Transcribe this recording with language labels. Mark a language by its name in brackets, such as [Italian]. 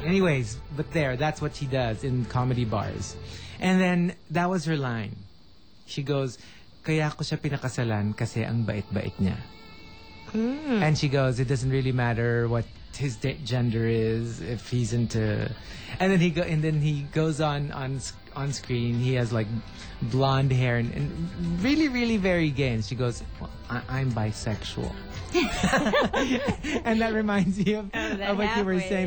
[English] Anyways, but there, that's what she does in comedy bars. And then that was her line. [Filipino] She goes, "Kaya ako siya pinakasalan kasi ang bait-bait niya." Mm. [English] And she goes, "It doesn't really matter what his gender is, if he's into..." And then he goes on screen. He has like blonde hair and really, really very gay. And she goes, "Well, I'm bisexual." And that reminds me of what you were saying,